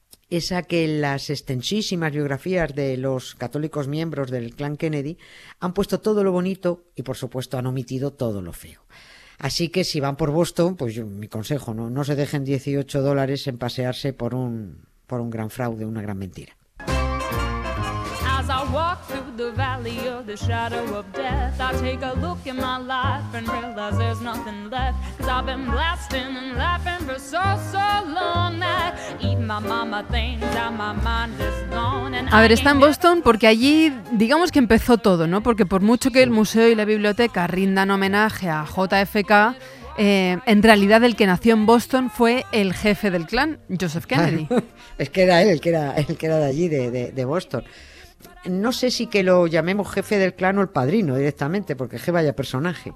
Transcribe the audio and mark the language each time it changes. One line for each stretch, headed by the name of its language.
Spanish: es a que las extensísimas biografías de los católicos miembros del clan Kennedy han puesto todo lo bonito y, por supuesto, han omitido todo lo feo. Así que si van por Boston, pues yo, mi consejo, no se dejen $18 en pasearse por un gran fraude, una gran mentira.
English: As I walk through the valley of the shadow of death, I take a look at my life and realize there's nothing left. Cause I've been blasting and laughing for so, so long that even my mama thinks that my mind is gone.
Spanish: A ver, está en Boston porque allí, digamos que empezó todo, ¿no? Porque por mucho que el museo y la biblioteca rindan homenaje a JFK, en realidad el que nació en Boston fue el jefe del clan, Joseph Kennedy. Es que era él el que era de allí, de Boston. No sé si que lo llamemos jefe del clan o el padrino directamente, porque que vaya personaje.